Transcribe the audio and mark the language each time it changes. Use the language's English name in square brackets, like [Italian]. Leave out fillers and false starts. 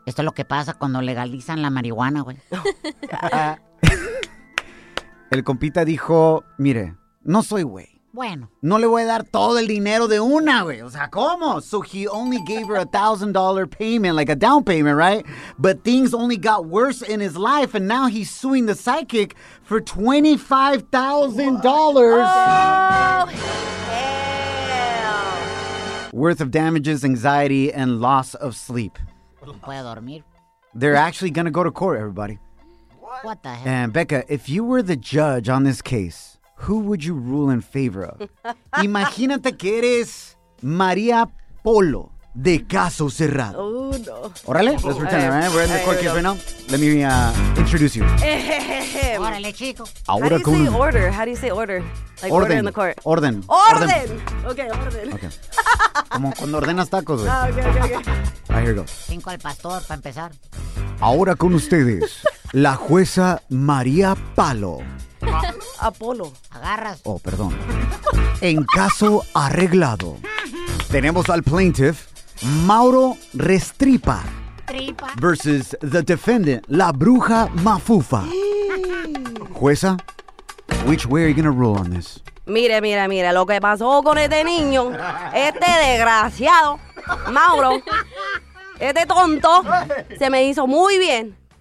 [Spanish] Esto es lo que pasa cuando legalizan la marihuana, güey. El compita dijo, mire, no soy güey. Bueno. No le voy a dar todo el dinero de una, güey. O sea, ¿cómo? [English] So he only gave her $1,000 payment, like a down payment, right? But things only got worse in his life, and now he's suing the psychic for $25,000. Oh, hell. Worth of damages, anxiety, and loss of sleep. [Spanish] ¿Puedo dormir? [English] They're actually going to go to court, everybody. What the hell? And Becca, if you were the judge on this case, who would you rule in favor of? [Spanish] Imagínate que eres María Polo de Caso Cerrado. [English] Oh, no. Órale, let's pretend, right? We're in the court case right now. Let me introduce you. [Spanish] Órale, chico. [English] Ahora how do you say order? How do you say order? Like [Spanish] orden. [English] Order in the court. [Spanish] Orden. Orden. Orden. Okay, orden. Okay. Como cuando ordenas tacos, güey. [English] Okay. Right, here we go. [Spanish] Cinco al pastor para empezar. Ahora con ustedes, la jueza María Palo. Apolo. Agarras. Oh, perdón. En caso arreglado, tenemos al plaintiff, Mauro Restripa. Tripa. [English] Versus the defendant, [Spanish] la bruja [English] Mafufa. Jueza, which way are you gonna rule on this? [Spanish] Mire, lo que pasó con este niño, este desgraciado, Mauro, este tonto, se me hizo muy bien.